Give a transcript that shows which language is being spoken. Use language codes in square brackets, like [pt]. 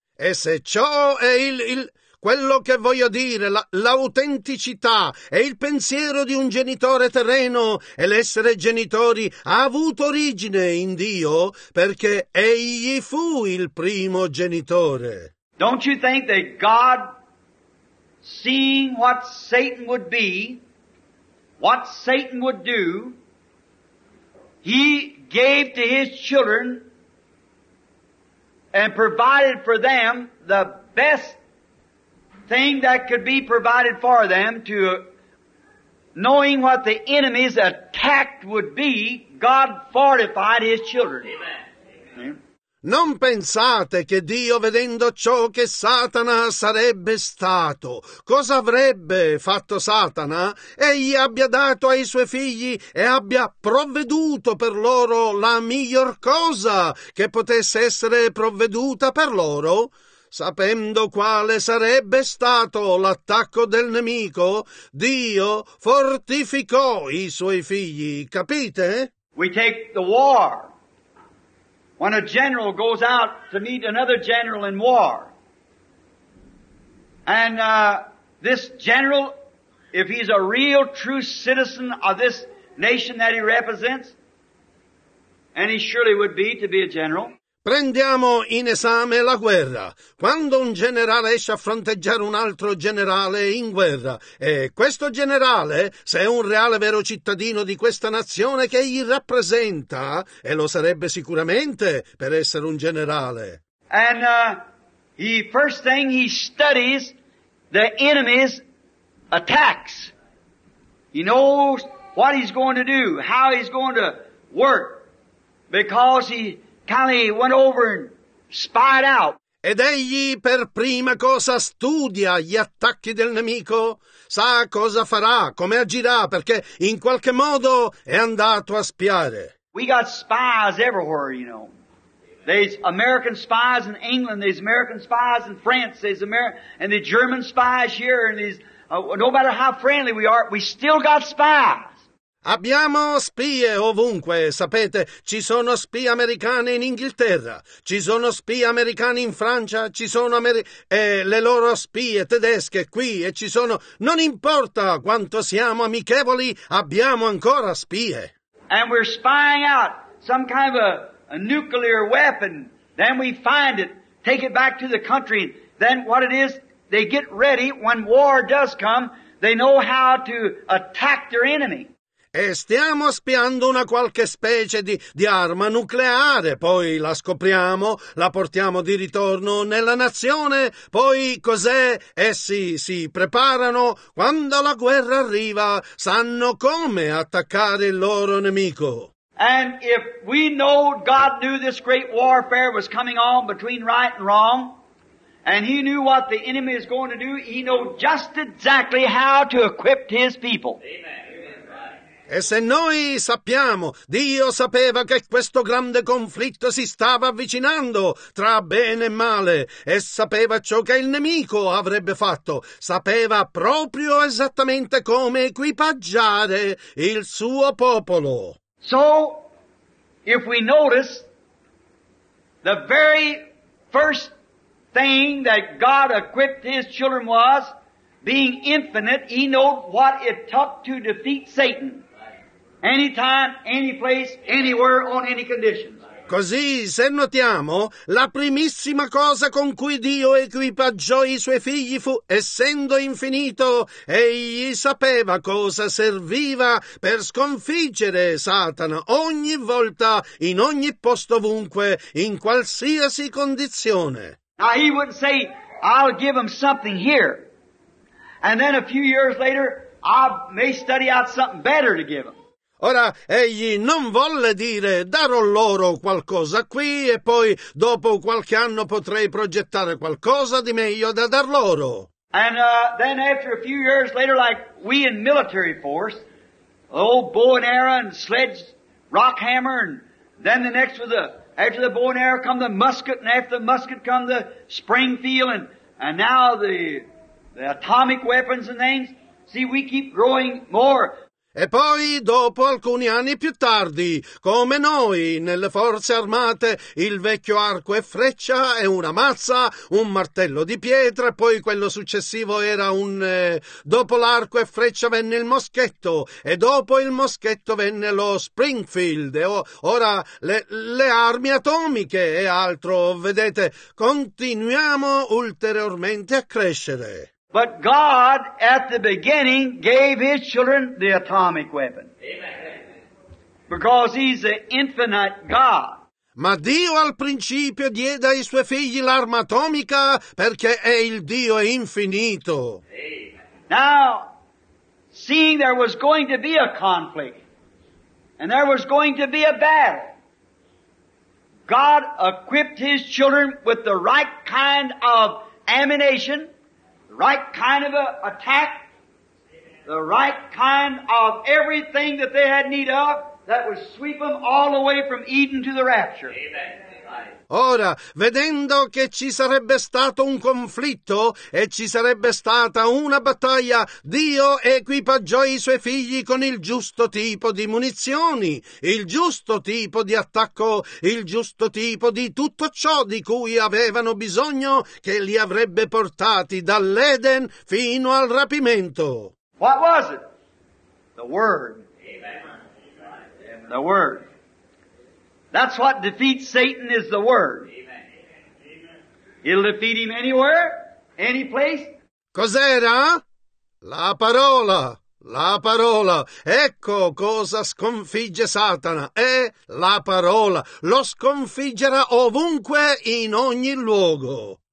[it] E se ciò è quello che voglio dire, l'autenticità e il pensiero di un genitore terreno e l'essere genitori ha avuto origine in Dio perché egli fu il primo genitore. [en] Don't you think that God, seeing what Satan would be, what Satan would do, he gave to his children and provided for them the best thing that could be provided for them to knowing what the enemy's attack would be, God fortified his children. Amen. [it] Non pensate che Dio, vedendo ciò che Satana sarebbe stato, cosa avrebbe fatto Satana? Egli abbia dato ai suoi figli e abbia provveduto per loro la miglior cosa che potesse essere provveduta per loro? Sapendo quale sarebbe stato l'attacco del nemico, Dio fortificò i suoi figli, capite? [en] We take the war. When a general goes out to meet another general in war, and this general, if he's a real true citizen of this nation that he represents, and he surely would be to be a general. [it] Prendiamo in esame la guerra. Quando un generale esce a fronteggiare un altro generale in guerra, e questo generale, se è un reale vero cittadino di questa nazione che gli rappresenta, e lo sarebbe sicuramente per essere un generale. [en] And the first thing he studies the enemy's attacks. He knows what he's going to do, how he's going to work, because he kindly went over and spied out. [it] Ed egli per prima cosa studia gli attacchi del nemico, sa cosa farà, come agirà, perché in qualche modo è andato a spiare. [en] We got spies everywhere, you know. There's American spies in England, there's American spies in France, there's and the German spies here, and there's, no matter how friendly we are, we still got spies. [it] Abbiamo spie ovunque, sapete, ci sono spie americane in Inghilterra, ci sono spie americane in Francia, ci sono le loro spie tedesche qui e ci sono, non importa quanto siamo amichevoli, abbiamo ancora spie. [en] And we're spying out some kind of a nuclear weapon, then we find it, take it back to the country, then what it is, they get ready when war does come, they know how to attack their enemy. [it] E stiamo spiando una qualche specie di arma nucleare, poi la scopriamo, la portiamo di ritorno nella nazione, poi cos'è? Essi si preparano, quando la guerra arriva, sanno come attaccare il loro nemico. [en] And if we know God knew this great warfare was coming on between right and wrong, and he knew what the enemy is going to do, he knows just exactly how to equip his people. Amen. [it] E se noi sappiamo, Dio sapeva che questo grande conflitto si stava avvicinando tra bene e male, e sapeva ciò che il nemico avrebbe fatto, sapeva proprio esattamente come equipaggiare il suo popolo. [en] So, if we notice, the very first thing that God equipped his children was, being infinite, he knew what it took to defeat Satan. Anytime, any place, anywhere, on any conditions. [it] Così, se notiamo, la primissima cosa con cui Dio equipaggiò i suoi figli fu, essendo infinito, egli sapeva cosa serviva per sconfiggere Satana ogni volta, in ogni posto ovunque, in qualsiasi condizione. [en] Now he wouldn't say, I'll give him something here, and then a few years later, I may study out something better to give him. [it] Ora, egli non volle dire, darò loro qualcosa qui e poi dopo qualche anno potrei progettare qualcosa di meglio da dar loro. [en] And then after a few years later, like we in military force, old bow and arrow and sledge, rock hammer, and then the next was after the bow and arrow come the musket, and after the musket come the Springfield, and now the atomic weapons and things. See, we keep growing more. [it] E poi, dopo alcuni anni più tardi, come noi, nelle forze armate, il vecchio arco e freccia e una mazza, un martello di pietra, e poi quello successivo era un... Dopo l'arco e freccia venne il moschetto, e dopo il moschetto venne lo Springfield, e ora le armi atomiche e altro, vedete, continuiamo ulteriormente a crescere. [en] But God, at the beginning, gave his children the atomic weapon. Amen. Because he's the infinite God. [it] Ma Dio al principio diede ai suoi figli l'arma atomica perché è il Dio infinito. [en] Amen. Now, seeing there was going to be a conflict, and there was going to be a battle, God equipped his children with the right kind of ammunition, right kind of a attack, the right kind of everything that they had need of that would sweep them all the way from Eden to the rapture. Amen. [it] Ora, vedendo che ci sarebbe stato un conflitto e ci sarebbe stata una battaglia, Dio equipaggiò i suoi figli con il giusto tipo di munizioni, il giusto tipo di attacco, il giusto tipo di tutto ciò di cui avevano bisogno che li avrebbe portati dall'Eden fino al rapimento. [en] What was it? The Word. Amen. The Word. That's what defeats Satan is the Word. Amen. It'll defeat him anywhere, any place. [it] Cos'era? La parola. La parola. Ecco cosa sconfigge Satana. È la parola. Lo sconfiggerà ovunque, in ogni luogo.